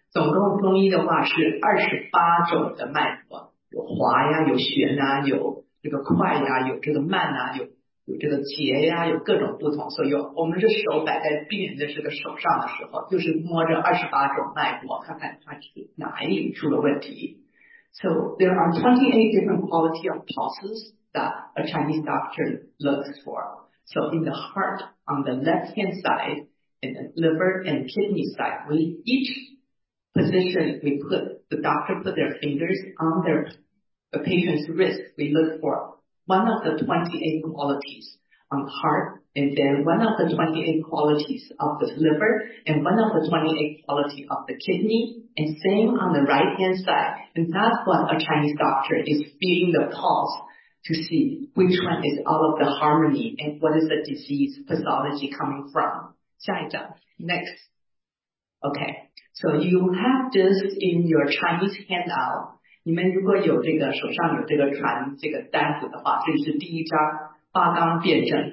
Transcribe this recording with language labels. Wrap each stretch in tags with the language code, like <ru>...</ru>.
<zh>总共中医的话是28种的脉搏，有滑呀，有旋啊，有这个快呀，有这个慢啊，有这个结呀，有各种不同。所以我们这手摆在病人的这个手上的时候，就是摸着28种脉搏，看看它是哪里出了问题。</zh> <en>So there are 28 different quality of pulses that a Chinese doctor looks for. So in the heart on the left hand side and the liver and kidney side, we each position, we put the doctor put their fingers on their a patient's risk, we look for one of the 28 qualities on heart, and then one of the 28 qualities of the liver, and one of the 28 qualities of the kidney, and same on the right-hand side. And that's what a Chinese doctor is feeling the pulse to see which one is out of the harmony and what is the disease pathology coming from.</en> <zh>下一张,</zh> <en>next. Okay, so you have this in your Chinese handout.</en> <zh>你们如果有这个手上有这个传这个单子的话，这是第一张八纲辨证。</zh>